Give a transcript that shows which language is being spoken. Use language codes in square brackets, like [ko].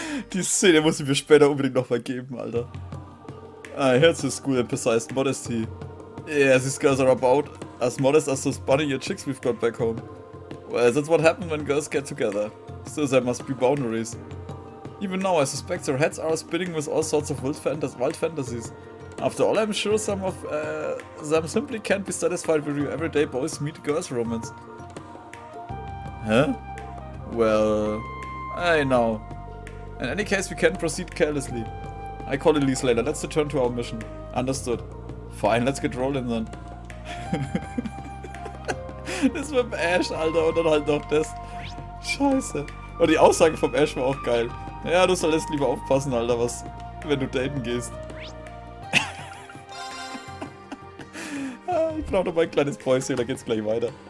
[de] Die Szene muss ich mir später unbedingt noch mal geben, Alter. [en] I heard the school emphasized modesty. Yeah, these girls are about as modest as those bunny-eared chicks we've got back home. Well, that's what happens when girls get together. Still, there must be boundaries. Even now, I suspect their heads are spinning with all sorts of wild fantasies. After all, I'm sure some of them simply can't be satisfied with your everyday boys meet girls romance. Huh? Well, I know. In any case, we can proceed carelessly. I call Elise later. Let's return to our mission. Understood. Fine, let's get rolling then. [de] Das mit dem Ash, Alter, und dann halt noch das. Scheiße. Und die Aussage vom Ash war auch geil. Ja, du sollst lieber aufpassen, Alter, was, wenn du daten gehst. Ich brauch noch mal ein kleines Päuschen, da geht's gleich weiter.